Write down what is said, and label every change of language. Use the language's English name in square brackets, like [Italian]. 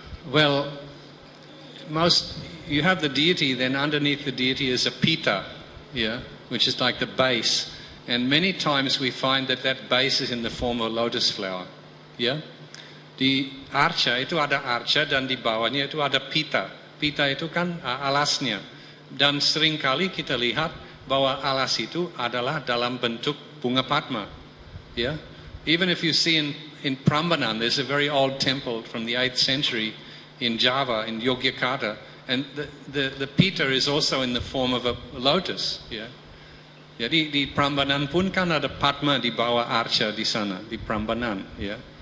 [English] Well, most, you have the deity, then underneath the deity is a pita, yeah, which is like the base, And many times we find that that base is in the form of a lotus flower. Yeah? [Indonesian] Di arca itu ada arca dan di bawahnya itu ada pita. Pita itu kan alasnya. Dan seringkali kita lihat bahwa alas itu adalah dalam bentuk bunga padma. [English] Yeah? Even if you see in Prambanan, there's a very old temple from the 8th century in Java, in Yogyakarta, and the pita is also in the form of a lotus. Yeah? [Indonesian] Jadi di Prambanan pun kan ada padma di bawah arca di sana, di Prambanan. Yeah?